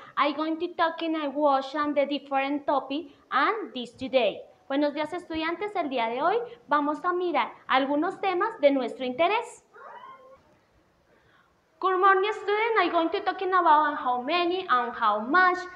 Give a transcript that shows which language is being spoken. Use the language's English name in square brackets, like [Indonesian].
[English] I'm going to talk in a workshop on the different topic and this today. [Spanish] Buenos días, estudiantes. El día de hoy vamos a mirar algunos temas de nuestro interés. [English] Good morning, students. I'm going to talk about how many and how much.